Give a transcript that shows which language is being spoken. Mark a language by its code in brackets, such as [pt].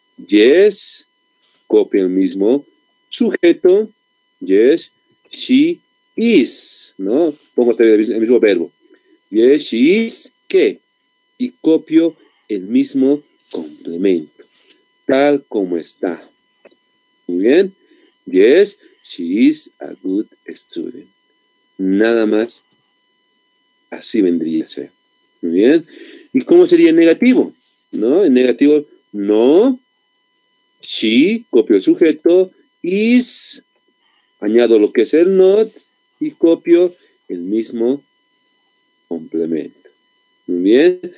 [es] Yes, copia el mismo sujeto. [en] Yes, she is, [es] ¿no? Pongo el mismo verbo. [en] Yes, she is, [es] ¿qué? Y copio el mismo complemento, tal como está. Muy bien. [en] Yes, she is a good student. [es] Nada más. Así vendría a ser. Muy bien. ¿Y cómo sería en negativo? ¿No? En negativo, no. She, copio el sujeto, is, añado lo que es el not y copio el mismo complemento. Muy bien.